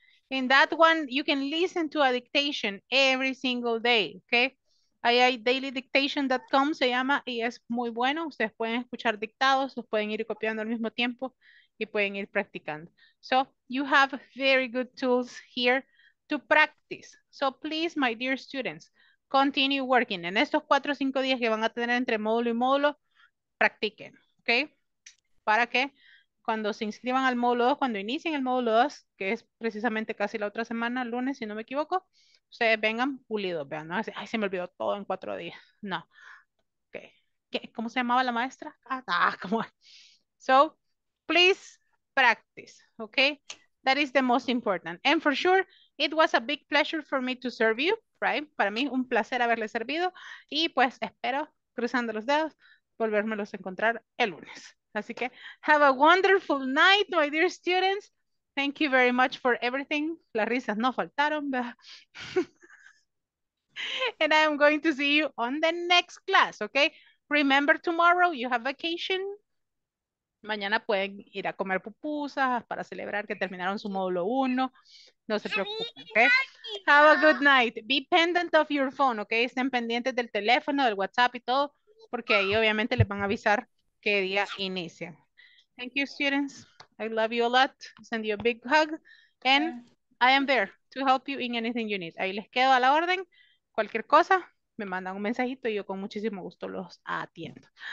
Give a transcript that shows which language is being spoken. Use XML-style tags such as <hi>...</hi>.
<en>In that one, you can listen to a dictation every single day, okay?</en> <es>Ahí dailydictation.com se llama y es muy bueno. Ustedes pueden escuchar dictados, los pueden ir copiando al mismo tiempo y pueden ir practicando.</es> <en>So, you have very good tools here to practice. So, please, my dear students, continue working.</en> <es>En estos 4 o 5 días que van a tener entre módulo y módulo, practiquen, okay? ¿Para qué? Cuando se inscriban al módulo 2, cuando inicien el módulo 2, que es precisamente casi la otra semana, lunes, si no me equivoco, ustedes vengan pulidos, vean, no, ay, se me olvidó todo en 4 días, no.</es> <en>Okay.</en> <es>¿Qué? ¿Cómo se llamaba la maestra?</es> <en>Ah, come on. So, please practice, okay? That is the most important. And for sure, it was a big pleasure for me to serve you, right?</en> <es>Para mí, un placer haberle servido, y pues espero, cruzando los dedos, volvérmelos a encontrar el lunes. Así que,</es> <en>have a wonderful night, my dear students. Thank you very much for everything.</en> <es>Las risas no faltaron, ¿verdad?</es> <en>And I am going to see you on the next class, okay? Remember, tomorrow you have vacation.</en> <es>Mañana pueden ir a comer pupusas para celebrar que terminaron su módulo 1. No se preocupen,</es> <en>okay? Have a good night. Be pendant of your phone, okay?</en> <es>Estén pendientes del teléfono, del WhatsApp y todo, porque ahí obviamente les van a avisar qué día inicia.</es> <en>Thank you, students. I love you a lot. Send you a big hug. And I am there to help you in anything you need.</en> <es>Ahí les quedo a la orden. Cualquier cosa, me mandan un mensajito y yo con muchísimo gusto los atiendo.</es>